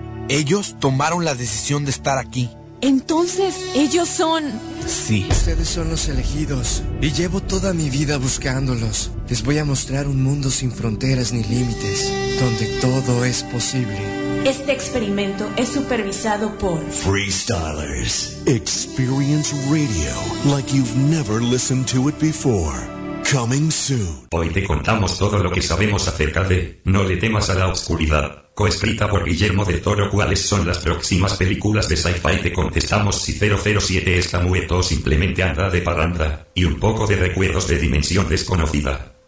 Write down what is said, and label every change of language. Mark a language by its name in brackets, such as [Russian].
[Spanish] Ellos tomaron la decisión de estar aquí. Entonces, ellos son... Sí. Ustedes son los elegidos. Y llevo toda mi vida buscándolos. Les voy a mostrar un mundo sin fronteras ni límites, donde todo es posible. Este experimento es supervisado por... Freestylers. [English] Experience radio like you've never listened to it before. Coming soon. [Spanish] Hoy te contamos todo lo que sabemos acerca de No le temas a la oscuridad, coescrita por Guillermo del Toro. ¿Cuáles son las próximas películas de sci-fi? Te contestamos si 007 está muerto o simplemente anda de parranda, y un poco de recuerdos de Dimensión Desconocida.